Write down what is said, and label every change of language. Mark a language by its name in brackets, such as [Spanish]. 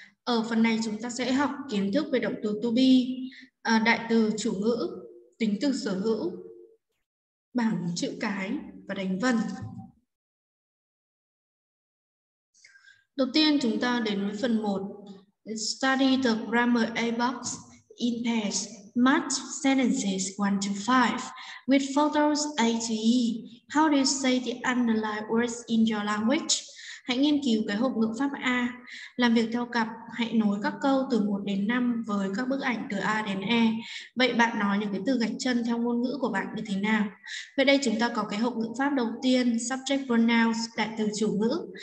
[Vietnamese] Ở phần này chúng ta sẽ học kiến thức về động từ to be, đại từ chủ ngữ, tính từ sở hữu, bảng chữ cái và đánh vần. Đầu tiên chúng ta đến với phần 1. [English] Study the grammar A box in pairs, match sentences 1 to 5 with photos A to E. How do you say the underlined words in your language? [Vietnamese] Hãy nghiên cứu cái hộp ngữ pháp A. Làm việc theo cặp, hãy nối các câu từ 1 đến 5 với các bức ảnh từ A đến E. Vậy bạn nói những cái từ gạch chân theo ngôn ngữ của bạn như thế nào? Vậy đây chúng ta có cái hộp ngữ pháp đầu tiên, subject pronouns, đại từ chủ ngữ.